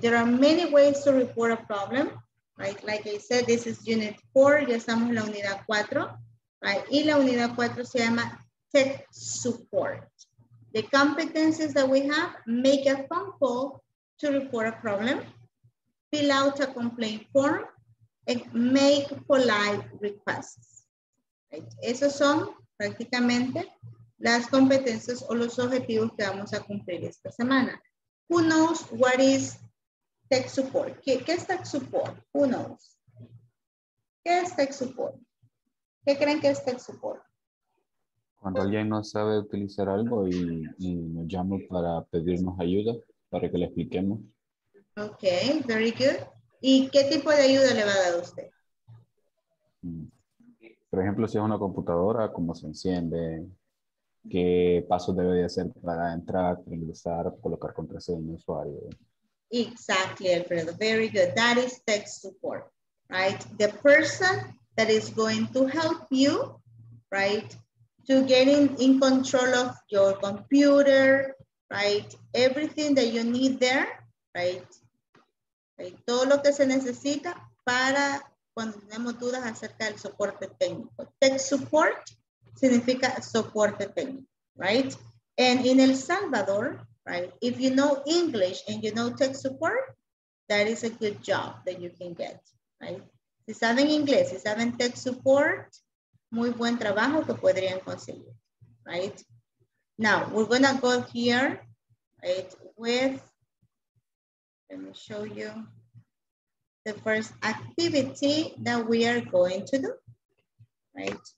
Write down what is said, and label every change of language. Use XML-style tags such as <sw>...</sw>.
<en>There are many ways to report a problem, right? Like I said, this is unit 4,</en> <es>ya estamos en la unidad 4,</es> <en>right?</en> <es>Y la unidad 4 se llama tech support.</es> <en>The competencies that we have, make a phone call to report a problem, fill out a complaint form, and make polite requests, right?</en> <es>Esos son prácticamente las competencias o los objetivos que vamos a cumplir esta semana.</es> <en>Who knows what is tech support?</en> <es>¿Qué es tech support?</es> <en>Who knows? ¿Qué es tech support?</en> <es>¿Qué creen que es tech support? Cuando alguien no sabe utilizar algo y nos llama para pedirnos ayuda, para que le expliquemos.</es> <en>Ok, very good.</en> <es>¿Y qué tipo de ayuda le va a dar a usted? Por ejemplo, si es una computadora, ¿cómo se enciende? ¿Qué pasos debe de hacer para entrar, ingresar, colocar contraseña, usuario?</es> <en>Exactly, Alfredo. Very good. That is tech support, right? The person that is going to help you, right, to get in control of your computer, right? Everything that you need there, right?</en> <es>Todo lo que se necesita para cuando tenemos dudas acerca del soporte técnico. Tech support significa soporte técnico, right?</es> <en>And in El Salvador, right, if you know English and you know tech support, that is a good job that you can get, right?</en> <es>Si saben inglés, si saben tech support, muy buen trabajo que podrían conseguir, right?</es> <en>Now, we're gonna go here, right, with... Let me show you the first activity that we are going to do, right?</en>